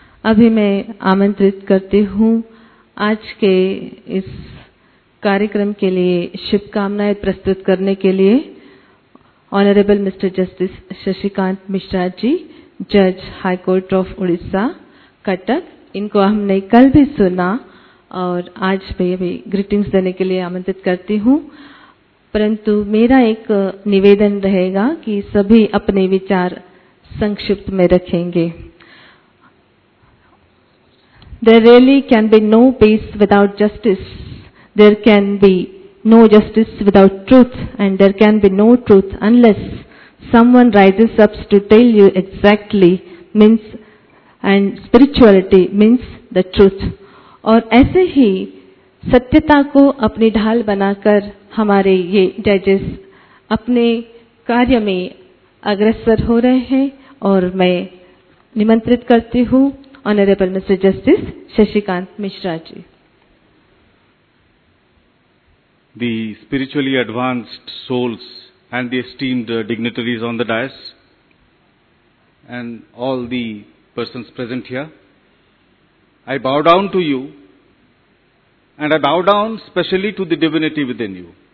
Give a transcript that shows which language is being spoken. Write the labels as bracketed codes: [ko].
[hi] अभी मैं आमंत्रित करती हूँ आज के इस कार्यक्रम के लिए, शुभकामनाएं प्रस्तुत करने के लिए, honourable mister justice Shashikant Mishra ji, जज high court of Orissa Cuttack. इनको हमने कल भी सुना और आज मैं अभी ग्रीटिंग्स देने के लिए आमंत्रित करती हूँ, परंतु मेरा एक निवेदन रहेगा कि सभी अपने विचार संक्षिप्त में रखेंगे। [en] There really can be no peace without justice. There can be no justice without truth, and there can be no truth unless someone rises up to tell you exactly means, and spirituality means the truth. [hi] और ऐसे ही सत्यता को अपनी ढाल बनाकर हमारे ये जजेस अपने कार्य में अग्रसर हो रहे हैं, और मैं निमंत्रित करती हूँ honourable mister justice Shashikant Mishra ji. [en] The spiritually advanced souls and the esteemed dignitaries on the dais and all the persons present here, I bow down to you and I bow down specially to the divinity within you.